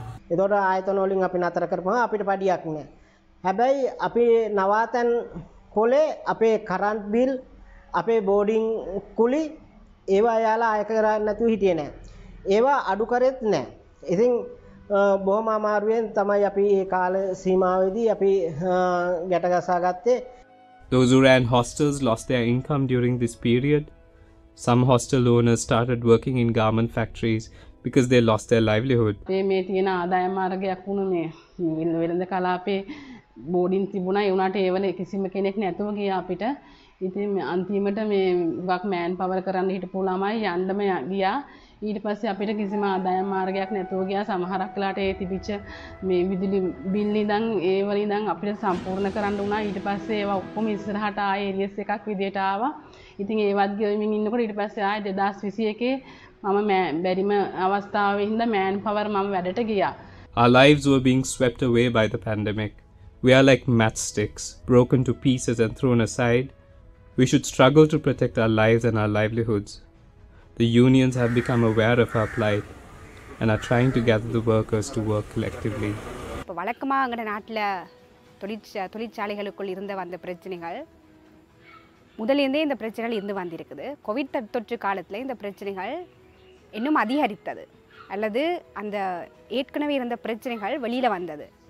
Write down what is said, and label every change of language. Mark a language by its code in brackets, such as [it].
[si] එතකොට ආයතන වලින් අපි නතර කරපුවා අපිට පඩියක් නෑ. හැබැයි අපි නවාතැන් කොලේ අපේ කරන්ට් බිල් අපේ බෝඩින් කුලි ඒවා එයාලා අයක කරන්නේ නැතුව හිටියේ නෑ. ඒවා අඩු කරෙත් නෑ. ඉතින් බොහොම අමාරුවෙන් තමයි අපි මේ කාල සීමාවේදී අපි ගැට ගසා ගත්තේ. [en] Those who ran hostels lost their income during this period. Some hostel owners started working in garment factories because they lost their livelihood. [si] මේ මේ තියෙන ආදායම් මාර්ගයක් වුණනේ. වෙළඳ කලාපේ බෝඩින් තිබුණා. ඒ වුණාට ඒවන කිසිම කෙනෙක් නැතුව ගියා අපිට. ඉතින් අන්තිමට මේ වක් මෑන් පවර් කරන්න හිටපු ළමයි යන්නම ගියා. ඊට පස්සේ අපිට කිසිම ආදායම් මාර්ගයක් නැතුව ගියා. සමහරක් වෙලාට ඒ තිබිච්ච මේ විදුලි බිල් ඉඳන් ඒවල ඉඳන් අපිට සම්පූර්ණ කරන්න වුණා. ඊට පස්සේ ඒවා ඔක්කොම ඉස්සරහට ආයේ එරියස් එකක් විදියට ආවා. ඉතින් ඒවත් ගෙවමින් ඉන්නකොට ඊට පස්සේ ආයේ 2021 මම බැරිම අවස්ථාවේ ඉඳ මෑන් පවර් මම වැඩට ගියා. [en] Our lives were being swept away by the pandemic. We are like matchsticks, broken to pieces and thrown aside. We should struggle to protect our lives and our livelihoods. The unions have become aware of our plight and are trying to gather the workers to work collectively. [ta] வழக்கமா அங்க நாட்டுல தொழிற்சாலைகளுக்குள்ள இருந்த வந்த பிரச்சனைகள் முதலிருந்தே இந்த பிரச்சனைகள் இருந்து வந்திருக்குது. கோவிட் தொற்று காலத்துல இந்த பிரச்சனைகள் இன்னும் அதிகரித்தது அல்லது அந்த ஏற்கனவே இருந்த பிரச்சனைகள் வெளியில வந்தது.